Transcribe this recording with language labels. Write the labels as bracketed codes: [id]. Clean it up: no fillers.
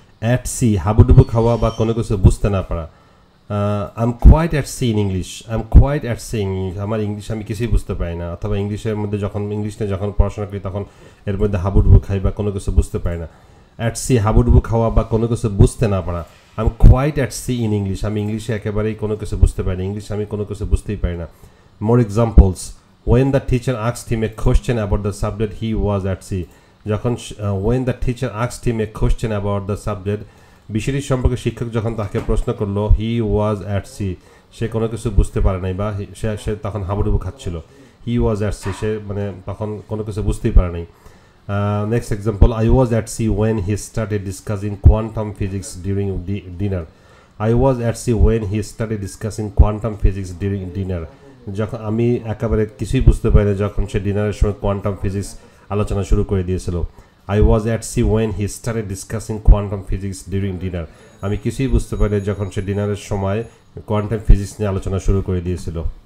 [bn] At C হাবুডুবু খাওয়া বা কোনো কিছু বুঝতে না পারা। [en] I am quite at sea in English, [bn] I am quite at C in English, আমার ইংলিশ আমি কিছুই বুঝতে পারি না, অথবা ইংলিশের মধ্যে যখন ইংলিশ নিয়ে যখন পড়াশোনা করি তখন এর মধ্যে হাবুডুবু খাই বা কোনো কিছু বুঝতে পারি না। অ্যাট সি হাবুডুবু খাওয়া বা কোনো কিছু বুঝতে না পারা। [en] I am quite at sea in English, [bn] আমি ইংলিশে একেবারেই কোনো কিছু বুঝতে পারি না, ইংলিশ আমি কোনো কিছু বুঝতেই পারি না। [en] More examples, When the teacher asked him a question about the subject, he was at sea. যখন when the teacher asked him a question about the subject, [bn] বিষয়টি সম্পর্কে শিক্ষক যখন তাকে প্রশ্ন করলো, [en] he was at sea. [bn] সে কোনো কিছু বুঝতে পারে নাই বা সে তখন হাবুডুবু খাচ্ছিল। [en] He was at sea. [bn] সে মানে তখন কোনো কিছু বুঝতেই পারে নাই। [en] Next example, I was at sea when he started discussing quantum physics during dinner. I was at sea when he started discussing quantum physics during dinner. [bn] যখন আমি একেবারে কিছুই বুঝতে পারি না যখন সে ডিনারের সময় কোয়ান্টাম ফিজিক্স আলোচনা শুরু করে দিয়েছিল। [en] I was at sea when he started discussing quantum physics during dinner, [bn] আমি কিছুই বুঝতে পারি না যখন সে ডিনারের সময় কোয়ান্টাম ফিজিক্স নিয়ে আলোচনা শুরু করে দিয়েছিল।